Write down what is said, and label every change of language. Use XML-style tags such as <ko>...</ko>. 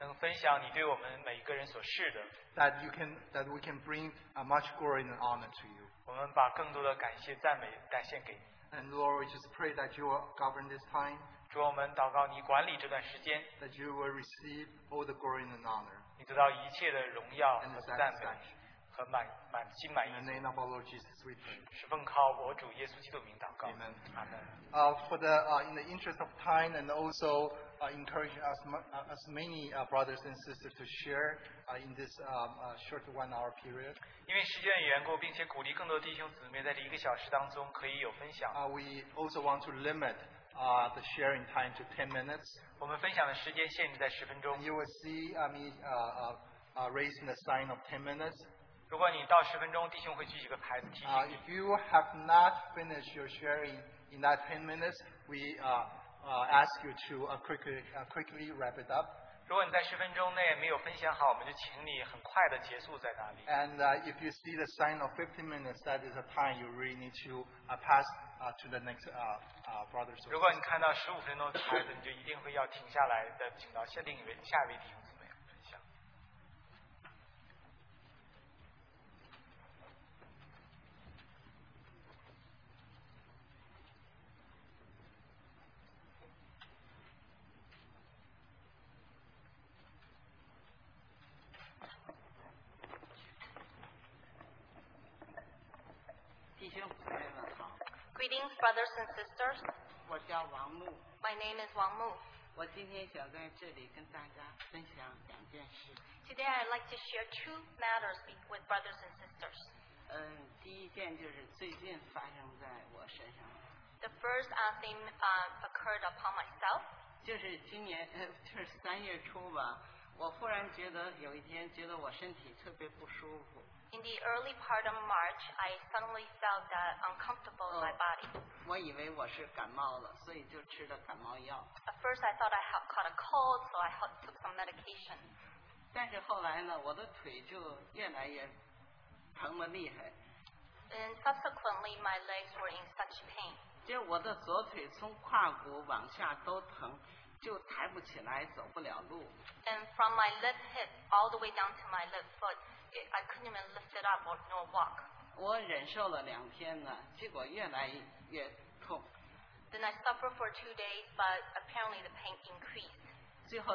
<zh>能分享你对我们每一个人所是的。</zh> <en>That we can bring a much glory and honor to you.</en> <zh>我们把更多的感谢赞美感谢给你。</zh> <en>And Lord, we just pray that you will govern this time.</en> <zh>主，我们祷告你管理这段时间。</zh> <en>That you will receive all the glory and honor.</en> <zh>你得到一切的荣耀和赞美和心满意足。</zh> <en>In the name of our Lord Jesus, we pray.</en> <zh>是奉靠我主耶稣基督名祷告。</zh> <en>Amen. Amen. In the interest of time and also encouraging as many brothers and sisters to share in this short 1 hour period.</en> <zh>因为时间的缘故，并且鼓励更多弟兄姊妹在这一个小时当中可以有分享。</zh> <en>We also want to limit the sharing time to 10 minutes.</en> <zh>我们分享的时间限制在十分钟。</zh> <en>And you will see me raising the sign of 10 minutes.</en> <zh>如果你到十分钟，弟兄会举几个牌子提醒你。</zh> <en>If you have not finished your sharing in that 10 minutes, we ask you to quickly wrap it up.</en> <zh>如果你在十分钟内没有分享好，我们就请你很快的结束在那里。</zh> <en>And if you see the sign of 15 minutes, that is a time you really need to pass to the next brother.</en> <zh>如果你看到十五分钟的牌子，你就一定会要停下来的，请到下一位弟兄姊妹分享。</zh> <en>Greetings, brothers and sisters.</en> <zh>我叫王牧。</zh> <en>My name is Wang Mu.</en> <zh>我今天想在这里跟大家分享两件事。</zh> <en>Today I'd like to share two matters with brothers and sisters.</en> <zh>第一件就是最近发生在我身上。</zh> <en>The first thing occurred upon myself.</en> <zh>就是今年就是三月初吧，我忽然觉得有一天觉得我身体特别不舒服。</zh> <en>In the early part of March, I suddenly felt that uncomfortable in my body.</en> <zh>我以为我是感冒了，所以就吃了感冒药。</zh> <en>At first, I thought I had caught a cold, so I took some medication.</en> <zh>但是后来呢，我的腿就越来越疼得厉害。</zh> <en>And subsequently, my legs were in such pain.</en> <zh>就我的左腿从胯骨往下都疼。就抬不起来，走不了路。</zh> <en>And from my left hip all the way down to my left foot, I couldn't even lift it up nor walk.</en> <zh>我忍受了两天呢，结果越来越痛。</zh> <en>Then I suffered for 2 days, but apparently the pain increased.</en>